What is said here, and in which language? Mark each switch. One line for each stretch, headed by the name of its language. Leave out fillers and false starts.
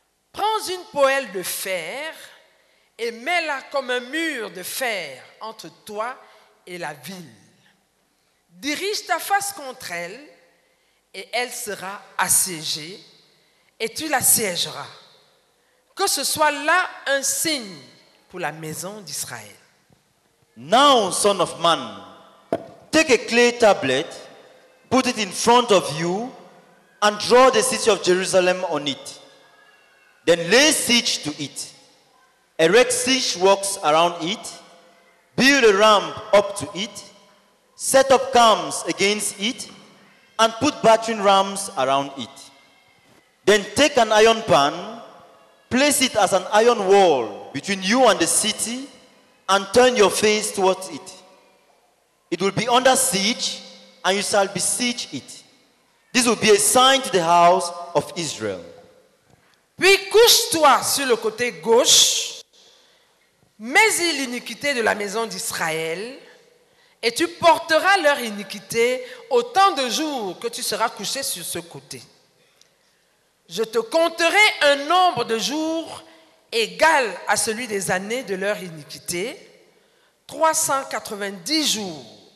French: Prends une poêle de fer et mets-la comme un mur de fer entre toi et la ville. Dirige ta face contre elle et elle sera assiégée et tu la siégeras. Que ce soit là un signe pour la maison d'Israël.
English: Now, son of man, take a clay tablet, put it in front of you, and draw the city of Jerusalem on it. Then lay siege to it. Erect siege works around it. Build a ramp up to it. Set up camps against it. And put battering rams around it. Then take an iron pan. Place it as an iron wall between you and the city. And turn your face towards it. It will be under siege. And you shall besiege it. This will be a sign to the house of Israel.
French: Puis couche-toi sur le côté gauche, mets-y l'iniquité de la maison d'Israël, et tu porteras leur iniquité autant de jours que tu seras couché sur ce côté. Je te compterai un nombre de jours égal à celui des années de leur iniquité, 390 jours.